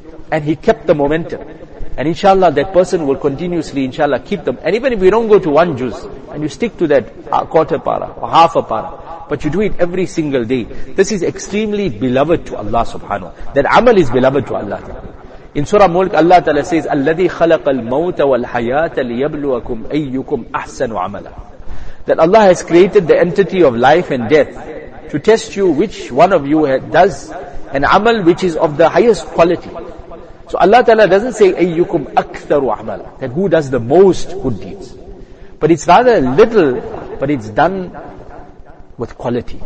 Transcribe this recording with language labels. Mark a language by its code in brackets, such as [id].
[en] And he kept the momentum. And inshallah, that person will continuously, inshallah, keep them. And even if you don't go to 1 juz, and you stick to that quarter para or half a para, but you do it every single day, this is extremely beloved to Allah subhanahu wa ta'ala. That amal is beloved to Allah. In Surah Mulk, Allah ta'ala says, [ar] الَّذِي خَلَقَ الْمَوْتَ وَالْحَيَاةَ لِيَبْلُوَكُمْ أَيُّكُمْ أَحْسَنُ عَمَلًا. [en] That Allah has created the entity of life and death to test you which one of you does an amal which is of the highest quality. So Allah Ta'ala doesn't say, [ar] أَيُّكُمْ أَكْثَرُ عَمَلًا, [en] that who does the most good deeds. But it's rather little, but it's done with quality.